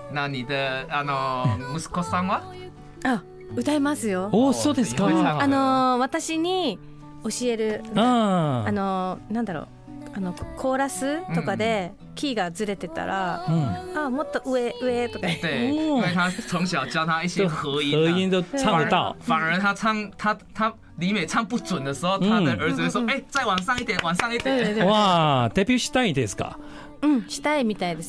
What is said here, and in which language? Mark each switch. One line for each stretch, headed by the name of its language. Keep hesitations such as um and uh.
Chinese: 那你
Japanese: あの息子さんは？あ、歌いますよ。お、oh, そうですか。あの私に教える。あの何だろう。あのコーラスとかでキーがずれてたら、あもっと上上とか。で、
Chinese: 因为他从小教他一些和音、啊，和音都唱得到。反而他唱他他李美唱不准的时候，他的儿子就说：“哎、欸，再往上一点，往上一点。對對對”哇，
Japanese: デビューしたいですか？うん、したいみたいです。